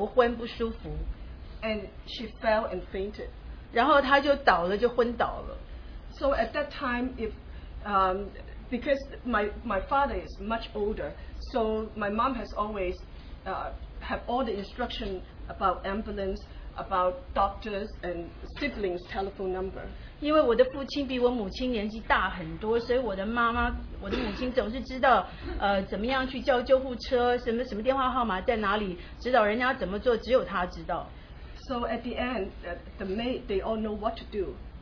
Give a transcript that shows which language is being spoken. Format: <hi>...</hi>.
<zh>那天正巧她在许多的人的面前，她正巧要走向另外那个空的公寓的时候，她觉得头昏不舒服。</zh> <en>And she fell and fainted.</en> <zh>然后她就倒了，就昏倒了。</zh> <en>So at that time, if because my father is much older, so my mom has always have all the instruction about ambulance, about doctors and siblings' telephone number.</en> <zh>因为我的父亲比我母亲年纪大很多，所以我的妈妈，我的母亲总是知道，怎么样去叫救护车，什么电话号码在哪里，指导人家怎么做，只有她知道。</zh> <en>So at the end, the maid, they all know what to do.</en>